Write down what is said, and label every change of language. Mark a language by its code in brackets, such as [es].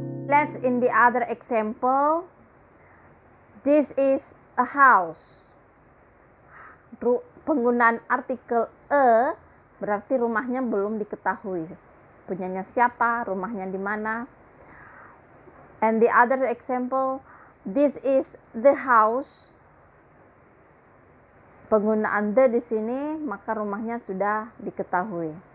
[en] Let's in the other example. This is a house. [id] Penggunaan artikel a berarti rumahnya belum diketahui. Punyanya siapa, rumahnya di mana. [en] And the other example, this is the house. [id] Penggunaan the di sini, maka rumahnya sudah diketahui.